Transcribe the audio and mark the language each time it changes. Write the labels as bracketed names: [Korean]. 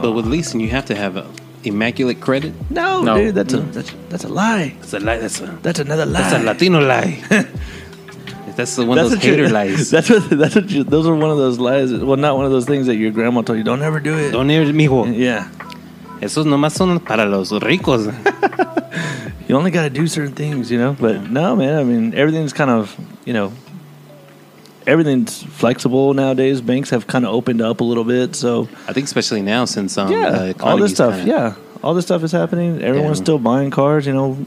[English] But with leasing, you have to have a immaculate credit. No. Dude, that's a lie. That's another lie. That's a Latino lie. That's one of those hater lies. Those are one of those lies. Well, not one of those things that your grandma told you, don't ever do it. Don't ever, mijo. Yeah. [Spanish] Esos nomás son para los ricos. [English] You only got to do certain things, you know? But no, man, I mean, everything's kind of, you know, everything's flexible nowadays. Banks have kind of opened up a little bit, so. I think especially now since all this stuff, yeah. All this stuff is happening. Everyone's still buying cars, you know?